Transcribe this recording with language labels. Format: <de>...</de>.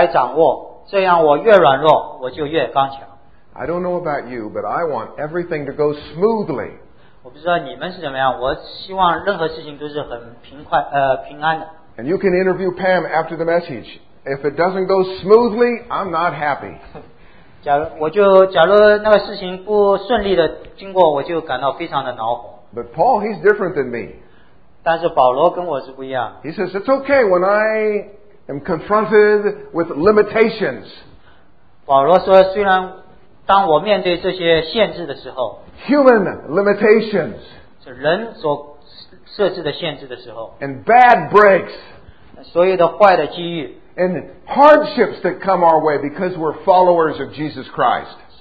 <zh>我快乐地面对各种各样的限制，这些限制呢，把我切割成块，凌辱、事故、反对、坏的机遇，我则让主来掌握，这样我越软弱，我就越刚强。</zh> <en>I don't know about you, but I want everything to go smoothly.</en> <zh>我不知道你们是怎么样，我希望任何事情都是很平快，平安的。</zh> <en>And you can interview Pam after the message. If it doesn't go smoothly, I'm not happy.</en> <zh>假如那个事情不顺利的经过，我就感到非常的恼火。</zh> <en>But Paul, he's different than me.</en> <zh>但是保罗跟我是不一样。</zh> <en>He says, it's okay when I am confronted with limitations.</en> <zh>保罗说，虽然当我面对这些限制的时候，</zh> <en>human limitations，</en> <zh>人所设置的限制的时候，</zh> <en>and bad breaks，</en> <zh>所有的坏的机遇，</zh> <en>and hardships that come our way because we're followers of Jesus Christ，</en>